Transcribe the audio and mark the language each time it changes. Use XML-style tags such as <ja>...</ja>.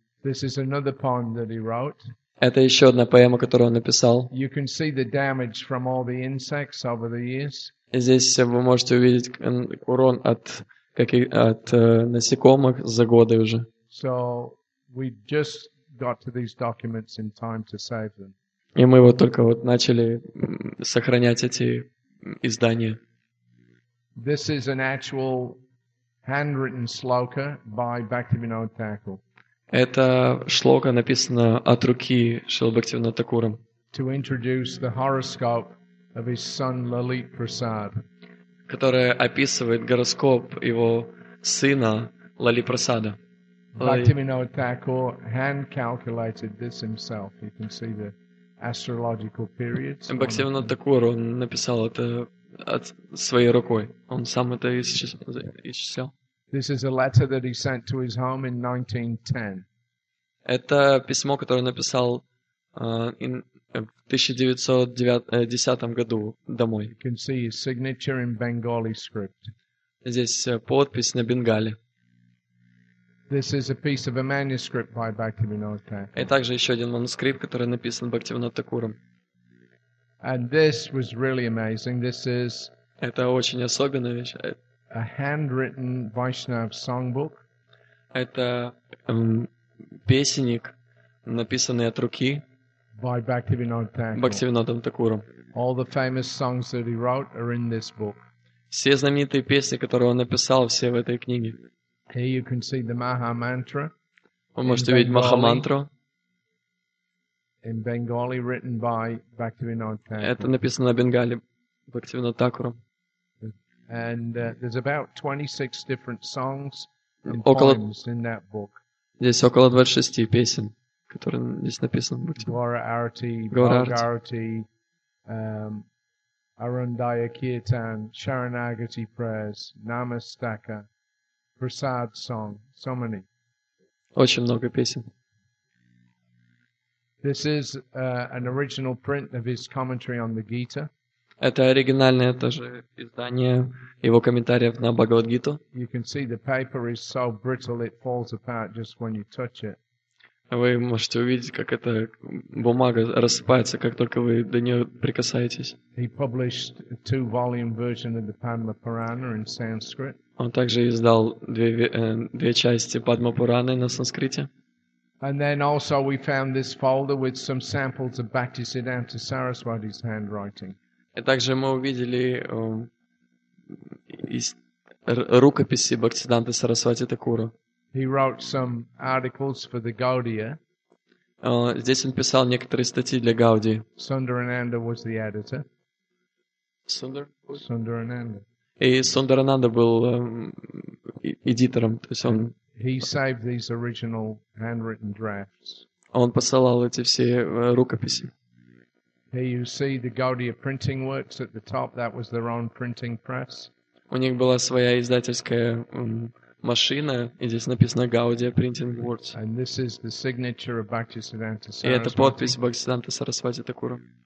<en>This is another poem that he wrote.</en> <ru>Это еще одна поэма, которую он написал.</ru> <en>You can see the damage from all the insects over the years.</en> <ru>И здесь вы можете увидеть урон от насекомых за годы уже.</ru> <en>So we just got to these documents in time to save them.</en> <ru>И мы вот только вот начали сохранять эти издания.</ru> <en>This is an actual handwritten sloka by Bhaktivinoda Thakur.</en> <ru>Это шлока написана от руки Шрилы Бхактивинода Такура.</ru> <en>To introduce the horoscope of his son Lalit Prasad.</en> <ru>Которая описывает гороскоп его сына Лали Прасада.</ru> <en>Bhaktivinoda Thakur hand calculated this himself. You can see the astrological periods.</en> <ru>Бхактивинода Такура написал это от своей рукой. Он сам это исчислял.</ru> <en>This is a letter that he sent to his home in 1910.</en> <ru>Это письмо, которое он написал в 1910 году домой.</ru> <en>You can see his signature in Bengali script.</en> <ru>Здесь подпись на бенгали.</ru> <en>This is a piece of a manuscript by Bhaktivinoda Thakur.</en> <ru>И также еще один манускрипт, который написан Бхактивинода Такуром.</ru> <en>And this was really amazing. This is.</en> <ru>Это очень особенная вещь.</ru> <en>A handwritten Vaishnav songbook.</en> <ru>Это песенник, написанный от руки.</ru> <en>By Bhaktivinoda Thakur.</en> <ru>Бхактивинодом Такуром.</ru> <en>All the famous songs that he wrote are in this book.</en> <ru>Все знаменитые песни, которые он написал, все в этой книге.</ru> <en>Here you can see the Maha Mantra.</en> <ru>Вы можете увидеть Махамантру.</ru> <en>In Bengali, written by Bhaktivinoda Thakur.</en> <ru>Это написано на бенгали Бхактивинодом Такуром.</ru> <en>And there's about 26 different songs and poems in that book.</en> <ru>Здесь около 26 песен, которые здесь написаны.</ru> <en>Gaura Arati, Bhagarati, Arundhaya Kirtan, Sharanagati prayers, Namastaka, Prasad song, so many.</en> <ru>Очень много песен.</ru> <en>This is an original print of his commentary on the Gita.</en> <ru>Это оригинальное тоже издание его комментариев на Бхагавад-гиту.</ru> <en>You can see the paper is so brittle it falls apart just when you touch it.</en> <ru>Вы можете увидеть, как эта бумага рассыпается, как только вы до нее прикасаетесь.</ru> <en>He published a two-volume version of the Padma Purana in Sanskrit.</en> <ru>Он также издал две части Падма Пураны на санскрите.</ru> <en>And then also we found this folder with some samples of Bhaktisiddhanta Saraswati's handwriting.</en> <ru>И также мы увидели рукописи Бхактисиддханты Сарасвати Такура.</ru> <en>He wrote some articles for the Gaudiya.</en> <ru>Здесь он писал некоторые статьи для Гаудии.</ru> <en>Сундарананда was the editor.</en> <ru>Сундарананда. И Сундарананда был эдитором, то есть он.</ru> <en>He saved these original handwritten drafts.</en> <ru>Он посылал эти все рукописи.</ru> <en>Here you see the Gaudiya printing works at the top. That was their own printing press.</en> <ru>У них была своя издательская машина, и здесь написано Gaudiya Printing Works.</ru> <en>And this is the signature of Bhaktisiddhanta Saraswati.</en> <ru>И это подпись Бхактисиддханты Сарасвати Такура.</ru>